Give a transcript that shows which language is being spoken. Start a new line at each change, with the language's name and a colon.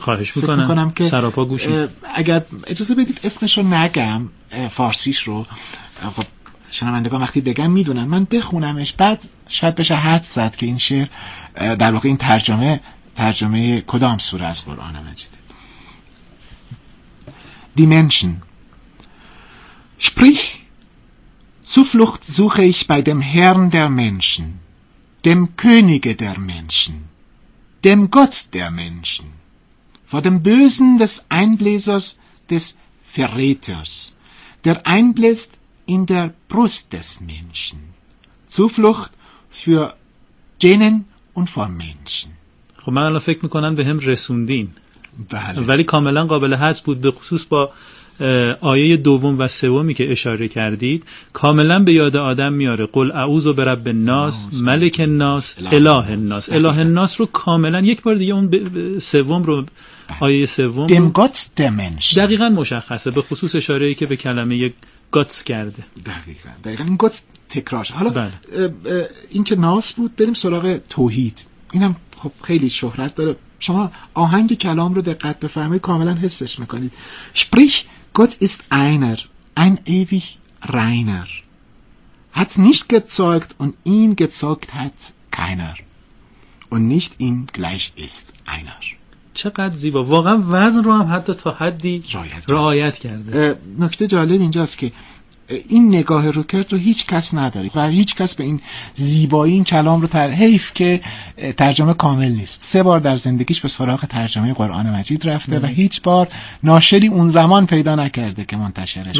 Persian: خواهش میکنم که سراپا گوشید. اگر اجازه بدید اسمش رو نگم، فارسیش رو، خب شنوندگان وقتی بگم میدونن، من بخونمش بعد شاید بشه حد زد که این شعر در واقع این ترجمه ترجمه کدام سوره از قرآن مجیده.
German: دیمنشن شپریخ Zuflucht suche ich bei dem Herrn der Menschen, dem Könige der Menschen, dem Gott der Menschen, vor dem Bösen des Einbläsers, des Verräters, der einbläst in der Brust des Menschen. Zuflucht für Genen und vor Menschen.
Persian: خب من الان فکر میکنم به هم رسوندین. بله. ولی کاملا قابل حدس بود، به خصوص با آیه دوم و سومی که اشاره کردید، کاملا به یاد آدم میاره.
Arabic: قل اعوذ برب الناس، ملک الناس، اله الناس.
Persian: اله الناس رو کاملا یک بار دیگه، اون سوم رو، آیه سوم
German: دم گات دمنش
Persian: دقیقاً مشخصه، به خصوص اشاره‌ای که به کلمه گاتس کرده. دقیقاً این گات تکرارش. حالا این که ناس بود، بریم سراغ توحید. اینم خب خیلی شهرت داره. شما آهنگ کلام رو دقت بفهمید کاملا حسش میکنید.
German: sprich Gott ist einer, ein ewig reiner. Hat nicht gezeugt und ihn gezeugt hat keiner. Und nicht ihm gleich ist einer.
Persian: چقدر زیبا. واقعا وزن رو هم حتی تا حدی رعایت کرده. نکته جالب اینجاست که این نگاه روکرت رو هیچ کس نداره و هیچ کس به این زیبایی این کلام رو حیف که ترجمه کامل نیست. سه بار در زندگیش به سراغ ترجمه قرآن مجید رفته و هیچ بار ناشری اون زمان پیدا نکرده که منتشرش